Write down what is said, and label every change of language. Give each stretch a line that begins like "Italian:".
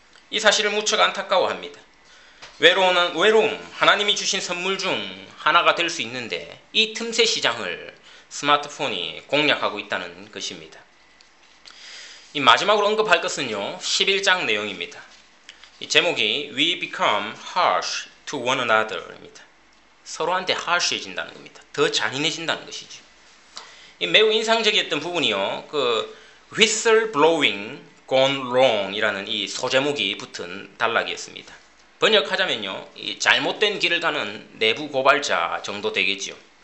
Korean: 이 사실을 무척 안타까워합니다. 외로움, 하나님이 주신 선물 중 하나가 될 수 있는데 이 틈새 시장을 스마트폰이 공략하고 있다는 것입니다. 이 마지막으로 언급할 것은요, 11장 내용입니다. 이 제목이
English: We become harsh to one another
Korean: 입니다. 서로한테 harsh해진다는 겁니다. 더 잔인해진다는 것이죠. 이 매우 인상적이었던 부분이요, 그
English: whistleblowing gone wrong
Korean: 이라는 이 소제목이 붙은 단락이었습니다. 번역하자면요, 이 잘못된 길을 가는 내부 고발자 정도 되겠죠.